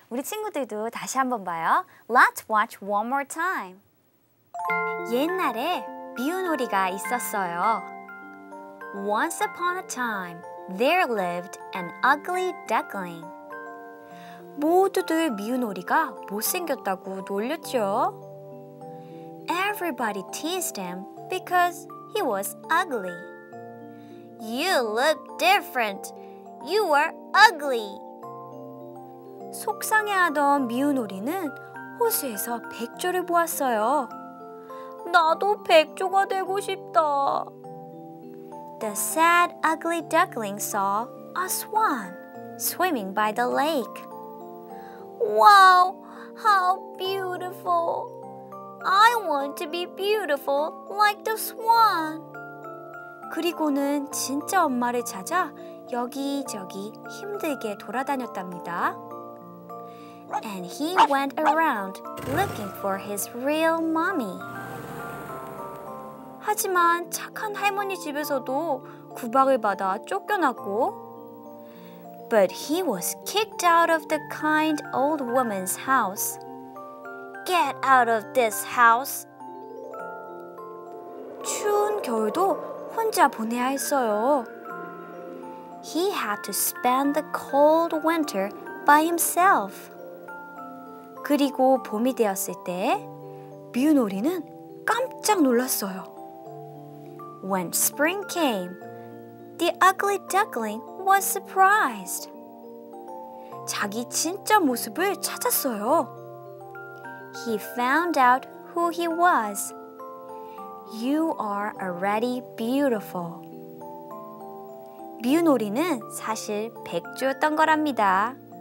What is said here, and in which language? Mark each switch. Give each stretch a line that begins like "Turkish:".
Korean: 우리 친구들도 다시 한번 봐요.
English: Let's watch one more time.
Korean: 옛날에 미운 오리가 있었어요.
English: Once upon a time, there lived an ugly duckling.
Korean: 모두들 미운 오리가 못생겼다고 놀렸죠.
English: Everybody teased him because he was ugly. You look different. You are ugly.
Korean: 속상해하던 미운 오리는 호수에서 백조를 보았어요. 나도 백조가 되고 싶다.
English: The sad ugly duckling saw a swan swimming by the lake. Wow, how beautiful. I want to be beautiful like the swan.
Korean: 그리고는 진짜 엄마를 찾아 여기저기 힘들게 돌아다녔답니다.
English: And he went around looking for his real mommy.
Korean: 하지만 착한 할머니 집에서도 구박을 받아 쫓겨났고
English: But he was kicked out of the kind old woman's house. Get out of this house!
Korean: 추운 겨울도 혼자 보내야 했어요.
English: He had to spend the cold winter by himself.
Korean: 그리고 봄이 되었을 때 미운 오리는 깜짝 놀랐어요.
English: When spring came, the ugly duckling was surprised.
Korean: 자기 진짜 모습을 찾았어요.
English: He found out who he was. You are already beautiful.
Korean: 뮤놀이는 사실 백조였던 거랍니다.